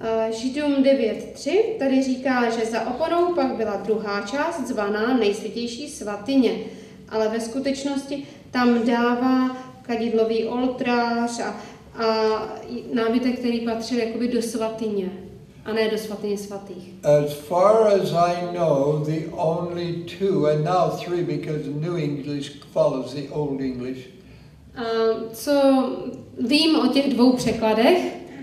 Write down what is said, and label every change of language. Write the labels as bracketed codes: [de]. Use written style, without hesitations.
[cs] Židům 9.3 tady říká, že za oponou pak byla druhá část zvaná nejsvětější svatyně, ale ve skutečnosti tam dává kadidlový oltář a nábytek, který patřil jakoby do svatyně. A ne do svatyně svatých. [en] As far as I know, the only two, and now three, because New English follows the Old English. [cs] Co vím o těch dvou překladech?